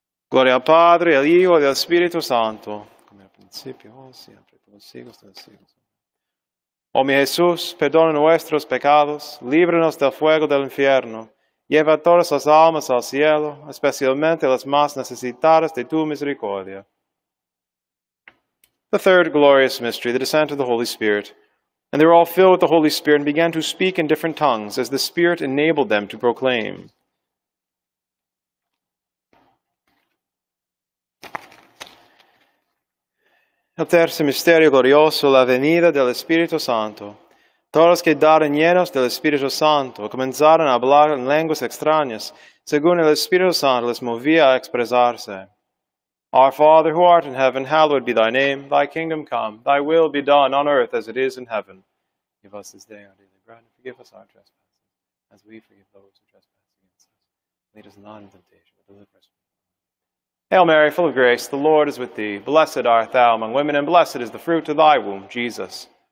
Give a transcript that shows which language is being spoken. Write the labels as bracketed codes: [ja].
[es] Gloria al Padre, al Hijo y al Espíritu Santo. Como al principio, ahora y siempre, por los siglos de los siglos. Oh mi Jesús, perdona nuestros pecados, líbranos del fuego del infierno, lleva todas las almas al cielo, especialmente las más necesitadas de tu misericordia. [en] The third glorious mystery, the descent of the Holy Spirit. And they were all filled with the Holy Spirit and began to speak in different tongues as the Spirit enabled them to proclaim. [es] El tercer misterio glorioso, la venida del Espíritu Santo. Todos los que quedaron llenos del Espíritu Santo comenzaron a hablar en lenguas extrañas, según el Espíritu Santo les movía a expresarse. [en] Our Father, who art in heaven, hallowed be thy name. Thy kingdom come, thy will be done on earth as it is in heaven. Give us this day our daily bread, and forgive us our trespasses, as we forgive those who trespass against us. Lead us not into temptation, but deliver us. Hail Mary, full of grace, the Lord is with thee. Blessed art thou among women, and blessed is the fruit of thy womb, Jesus.